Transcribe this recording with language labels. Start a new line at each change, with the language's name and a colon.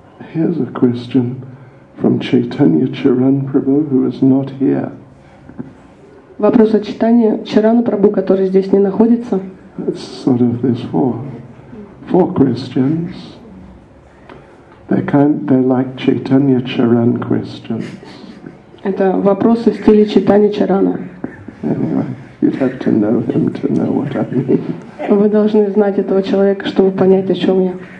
English: Here's a question from Chaitanya Charan Prabhu, who is not here.
Russian: Вопрос от Чайтанья Чарана Прабху, который здесь не находится.
English: It's sort of these four questions. They're like Chaitanya Charan questions.
Russian: Это вопросы в стиле Чайтанья Чарана.
English: Anyway, you'd have to know him to know what I mean.
Russian: Вы должны знать этого человека, чтобы понять, о чем я.